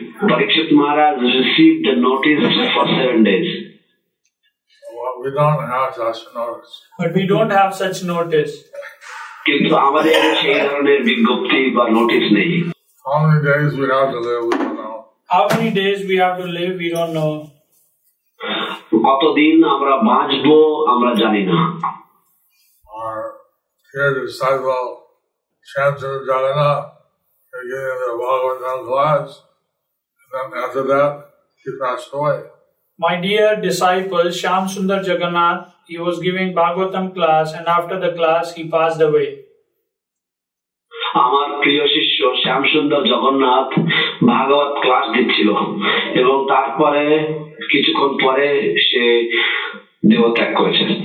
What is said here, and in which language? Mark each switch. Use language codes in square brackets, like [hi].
[en] Parikshit Maharaj received the notice for 7 days. We don't have such notice. But we don't have such notice. [bn] কিন্তু আমাদের সেই ধরনের বিজ্ঞপ্তি বা নোটিস নেই. [en] How many days we have to live, we don't know. How many days we have to live, we don't know. [bn] কত দিন আমরা বাঁচবো আমরা জানি না. [en] Our dear disciple Chancellor Jagannath, again the Bhagavatam class, and then after that he passed away. My dear disciple Shyam Sundar Jagannath, he was giving Bhagavatam class and after the class he passed away. [bn] আমার প্রিয় শিষ্য শ্যাম সুন্দর জগন্নাথ ভাগবত class দিচ্ছিল এবং তারপরে কিছুক্ষণ পরে সে দেহ ত্যাগ করেছে.